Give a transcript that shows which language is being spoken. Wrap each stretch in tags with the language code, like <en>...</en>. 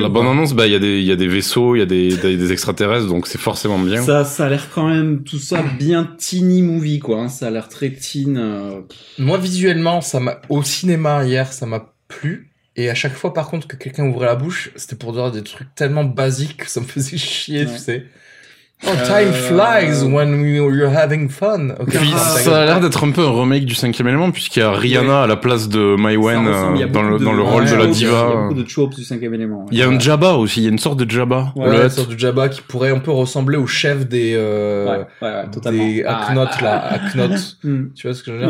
<fr>La bande annonce, bah il y a des vaisseaux, il y a des extraterrestres, donc c'est forcément bien. Ça a l'air quand même tout ça bien teeny movie, quoi. Hein. Ça a l'air très teen. Moi visuellement, ça m'a au cinéma hier, ça m'a plu. Et à chaque fois, par contre, que quelqu'un ouvrait la bouche, c'était pour dire des trucs tellement basiques que ça me faisait chier, ouais. Tu sais.</fr> <en>Oh, time flies when you're having fun. Okay.</en> <fr>Puis, ça a l'air d'être un peu un remake du cinquième élément, puisqu'il y a Rihanna, ouais, à la place de Mai Wen dans le rôle de la diva. Il y a beaucoup de chops du cinquième élément. Il y a un Jabba aussi, il y a une sorte de Jabba. Ouais, une sorte de Jabba qui pourrait un peu ressembler au chef des, Totalement. Des Aknot, tu vois ce que je veux dire?</fr>